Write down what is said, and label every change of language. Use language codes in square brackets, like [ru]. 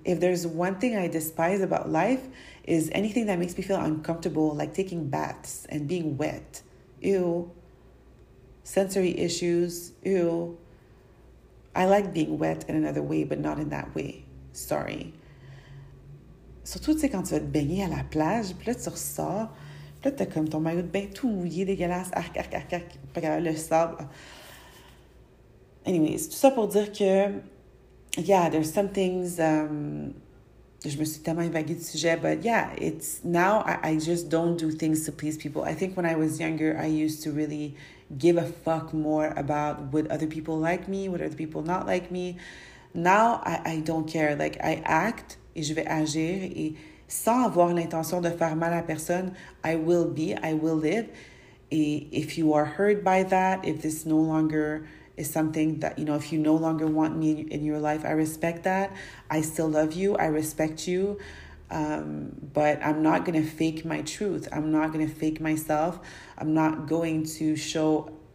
[en] If there's one thing I despise about life, is anything that makes me feel uncomfortable, like taking baths and being wet. Ew. Sensory issues, ew. I like being wet in another way, but not in that way. Sorry. [fr] Surtout, tu sais, quand tu vas te baigner à la plage, puis là, tu ressors, puis là, t'as comme ton maillot de bain tout mouillé, dégueulasse, arc, arc, arc, arc, le sable. [en] Anyways, [fr] tout ça pour dire que, [en] yeah, there's some things, [fr] je me suis tellement évaguée du sujet, [en] but yeah, it's, now I just don't do things to please people. I think when I was younger, I used to really give a fuck more about would other people like me, would other people not like me. Now, I don't care. Like, I act, [fr] et je vais agir, et sans avoir l'intention de faire mal à personne, [en] I will be, I will live. Et if you are hurt by that, if this no longer is something that, you know, if you no longer want me in your life, I respect that. I still love you, I respect you. But I'm not going to fake my truth. I'm not going to fake myself. I'm not going to show